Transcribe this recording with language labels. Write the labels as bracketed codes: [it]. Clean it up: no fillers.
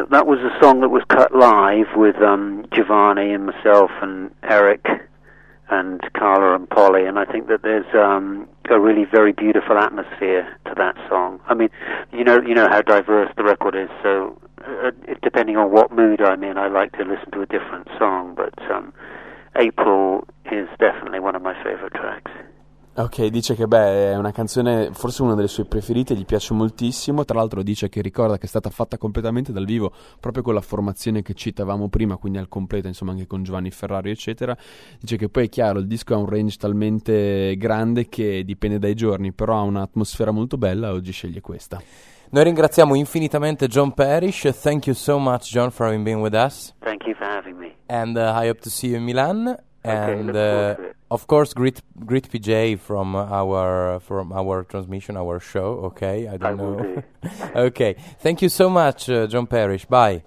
[en] That was a song that was cut live with Giovanni and myself and Eric and Carla and Polly, and I think that there's a really very beautiful atmosphere to that song. I mean, you know how diverse the record is, so depending on what mood I'm in, I like to listen to a different song, but April is definitely one of my favorite tracks. [it] Ok, dice che è una canzone, forse una delle sue preferite, gli piace moltissimo. Tra l'altro dice che ricorda che è stata fatta completamente dal vivo, proprio con la formazione che citavamo prima, quindi al completo, insomma anche con Giovanni Ferrario eccetera. Dice che poi è chiaro, il disco ha un range talmente grande che dipende dai giorni, però ha un'atmosfera molto bella, oggi sceglie questa. Noi ringraziamo infinitamente John Parish. [en] Thank you so much, John, for having been with us. Thank you for having me. And I hope to see you in Milan. And okay, of course, greet PJ from our transmission, our show. Okay, I don't know. Okay, thank you so much, John Parish. Bye.